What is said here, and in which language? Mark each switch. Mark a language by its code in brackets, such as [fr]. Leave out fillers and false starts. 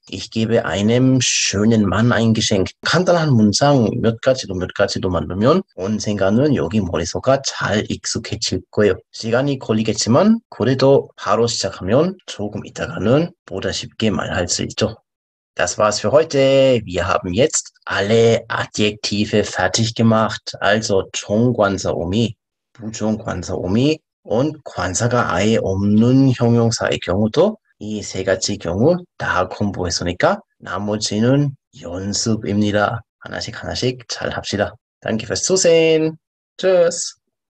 [ko] 이히 게베 아이넴 슈넨 만 아인 게쉔크. 간단한 문장 몇 가지도 만들면 언젠가는 여기 머릿속에 잘 익숙해질 거예요. 시간이 걸리겠지만 그래도 바로 시작하면 조금 있다가는 보다 쉽게 말할 수 있죠. [de] Das war's für heute. Wir haben jetzt alle Adjektive fertig gemacht. [ko] Also, 종관사 오미, 부종관사 오미 und 관사가 아예 없는 형용사의 경우도 이세 가지 경우 다 공부했으니까 나머지는 연습입니다. 하나씩 하나씩 잘 합시다. [de] Danke fürs Zusehen. Tschüss.